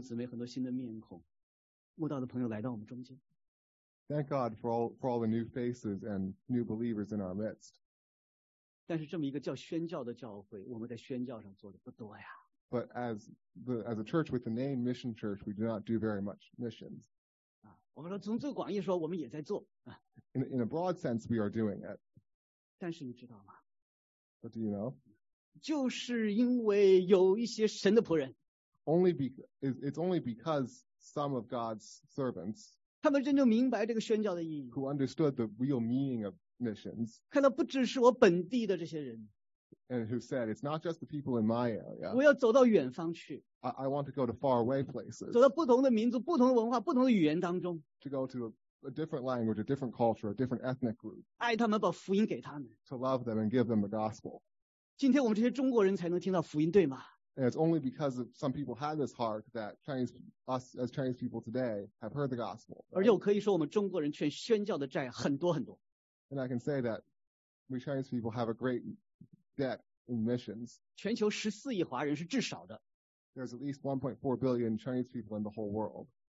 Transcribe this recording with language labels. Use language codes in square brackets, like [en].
[zh] 感谢神，我们在成长看到有很多的弟兄姊妹，很多新的面孔，慕道的朋友来到我们中间。 [en] Thank God for all the new faces and new believers in our midst. [zh] 但是这么一个叫宣教的教会，我们在宣教上做的不多呀。 [en] But as a church with the name Mission Church, we do not do very much missions. [zh] 我们说从最广义说，我们也在做。In [en] a broad sense, we are doing it. [zh] 但是你知道吗？ [en] But do you know? [zh] 就是因为有一些神的仆人 [en] it's only because some of God's servants [zh] 他们真正明白这个宣教的意义 [en] who understood the real meaning of missions [zh] 看到不只是我本地的这些人 [en] and who said it's not just the people in my area [zh] 我要走到远方去 [en] I want to go to faraway places [zh] 走到不同的民族 不同的文化 不同的语言当中 [en] to go to a different language a different culture a different ethnic group [zh] 爱他们把福音给他们 [en] to love them and give them the gospel [zh] 今天我们这些中国人才能听到福音，对吗？ [en] And it's only because of some people had this heart that us as Chinese people today have heard the gospel. Right? [zh] 而且我可以说我们中国人劝宣教的债很多很多。 [en] And I can say that we Chinese people have a great debt in missions. [zh] 全球14亿华人是至少的。 [en] There's at least 1.4 billion Chinese people in the whole world.